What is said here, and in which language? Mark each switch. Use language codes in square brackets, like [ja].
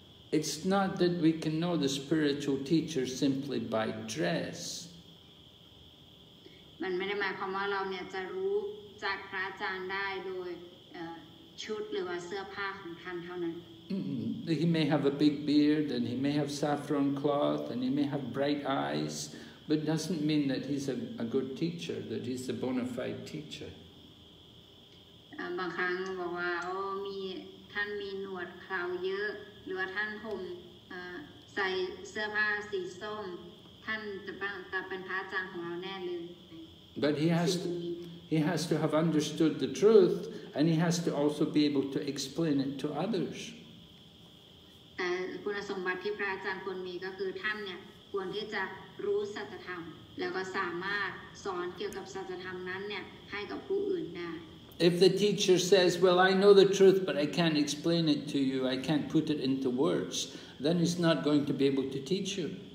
[en] It's not that we can know the spiritual teacher simply by dress. [th] มันไม่ได้หมายความว่าเราเนี่ยจะรู้จักพระอาจารย์ได้โดยชุดหรือว่าเสื้อผ้าของท่านเท่านั้น [en] He may have a big beard and he may have saffron cloth and he may have bright eyes, but it doesn't mean that he's a good teacher, that he's a bona fide teacher. [th] บางครั้งบอกว่าโอ้มีท่านมีหนวดคราวเยอะหรือว่าท่านผมใส่เสื้อผ้าสีส้มท่านจะเป็นพระอาจารย์ของเราแน่เลย [en] But he has to have understood the truth and he has to also be able to explain it to others [th] แต่คุณสมบัติที่พระอาจารย์ควรมีก็คือท่านเนี่ยควรที่จะรู้สัจธรรมแล้วก็สามารถสอนเกี่ยวกับสัจธรรมนั้นเนี่ยให้กับผู้อื่นได้ [en] If the teacher says, well, I know the truth, but I can't explain it to you, I can't put it into words, then he's not going to be able to teach you.